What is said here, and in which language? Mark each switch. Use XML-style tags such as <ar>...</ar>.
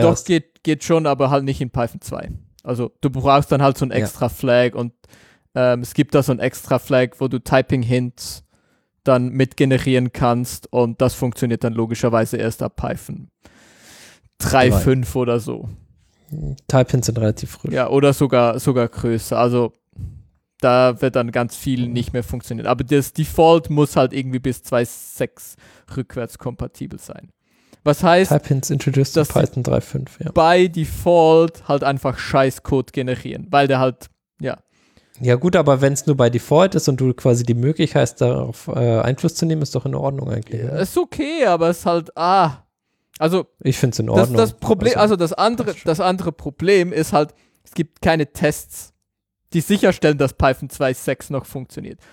<de>doch, geht schon, aber halt nicht in Python 2. Also, du brauchst dann halt so ein extra Flag und es gibt da so ein extra Flag, wo du Typing-Hints dann mit generieren kannst und das funktioniert dann logischerweise erst ab Python 3.5 oder so. Type-Hints sind relativ früh. Ja, oder sogar größer. Also da wird dann ganz viel nicht mehr funktionieren. Aber das Default muss halt irgendwie bis 2.6 rückwärts kompatibel sein. Was heißt,</de> <en>Type-Hints introduced in Python 3.5,</en> <de>bei Default halt einfach scheiß Code generieren, weil der halt, ja, Ja gut, aber wenn es nur bei Default ist und du quasi die Möglichkeit hast, darauf Einfluss zu nehmen, ist doch in Ordnung eigentlich. Ja, ist okay, aber es ist halt, also. Ich finde es in Ordnung. Das Problem, also das andere Problem ist halt, es gibt keine Tests, die sicherstellen, dass Python 2.6 noch funktioniert.</de>